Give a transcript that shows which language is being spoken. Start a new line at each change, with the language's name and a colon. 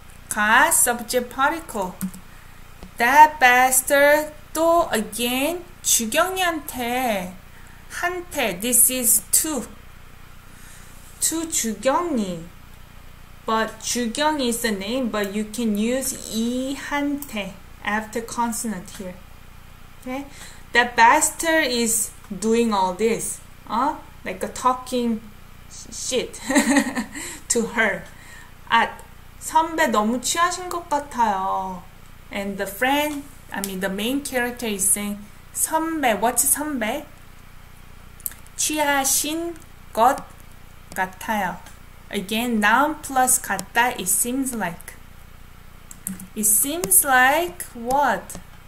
English: 가, subject particle. That bastard 또 again 주경이한테 한테 this is to 주경이 but 주경이 is the name but you can use 이 한테 after consonant here. Okay, that bastard is doing all this, like a talking shit to her.
Korean: At 선배 너무 취하신 것 같아요.
English: And the friend, I mean the main character is saying, 선배, what's 선배?
Korean: 취하신 것 같아요.
English: Again, noun plus 같다, it seems like. It seems like what?